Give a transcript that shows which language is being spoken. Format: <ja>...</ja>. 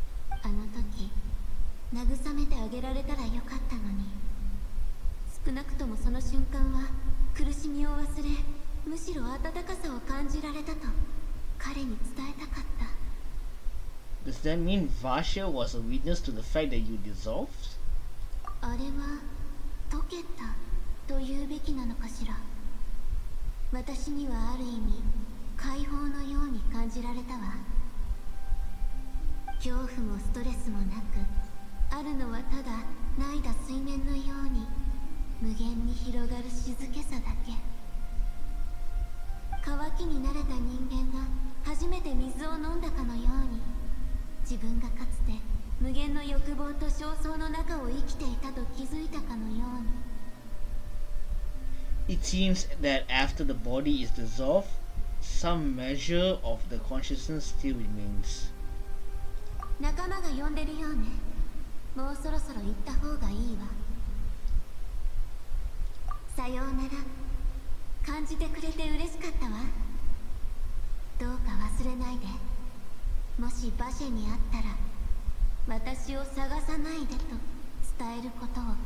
<ja>あのとき慰めてあげられたらよかったのに。少なくともその瞬間は苦しみを忘れ、むしろ温かさを感じられたと彼に伝えたかった。</ja> <en>Does that mean Vasha was a witness to the fact that you dissolved?</en> <ja>あれは溶けたと言うべきなのかしら。私にはある意味解放のように感じられたわ。恐怖もストレスもなく、あるのはただ、ないだ水面のように、無限に広がる静けさだけ。渇きに慣れた人間が初めて水を飲んだかのように、自分がかつて無限の欲望と焦燥の中を生きていたと気づいたかのように。</ja> <en>It seems that after the body is dissolved, some measure of the consciousness still remains.</en> <ja>仲間が呼んでるようね。もうそろそろ行った方がいいわ。さようなら。感じてくれて嬉しかったわ。どうか忘れないで。もし馬車に会ったら、私を探さないでと伝えることを。</ja>